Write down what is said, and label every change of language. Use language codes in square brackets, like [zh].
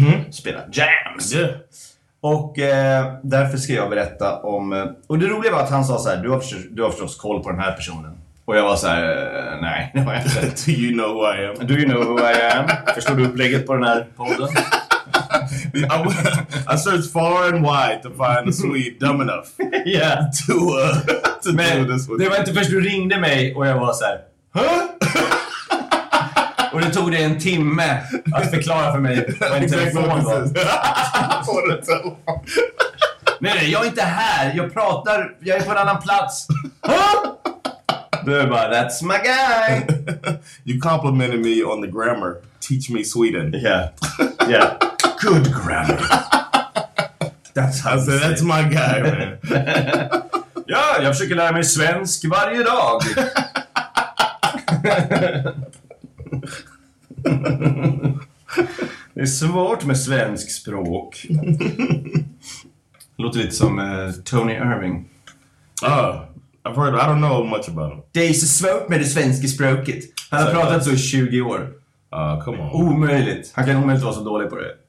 [sv] Spela jams. Och därför ska jag berätta om... Och det roliga var att han sa så här: du har förstås koll på den här personen. Och jag var så här: nej. [en] Do you know who I am? Do you know who I am? [sv] Förstår du upplägget på den här podden? [en] I searched far and wide to find a Swede dumb enough. Yeah. To [sv] men, [en] do this one. [sv] Det var inte först du ringde mig och jag var så här: huh? Och det tog dig en timme att förklara för mig vad en telefon var. Nej, jag är inte här. Jag pratar, jag är på en annan plats. Du är bara, [en] that's my guy. You complimented me on the grammar. Teach me Sweden. Yeah. Good grammar. That's how say, that's my guy, man. [sv] Ja, jag försöker lära mig svensk varje dag. Det är svårt med svensk språk. Låter lite som Tony Irving. [en] I've heard, I don't know much about him. [sv] Det är så svårt med det svenska språket. Han har pratat så i 20 år. [en] Come on. [sv] Omöjligt. Han kan omöjligt vara så dålig på det.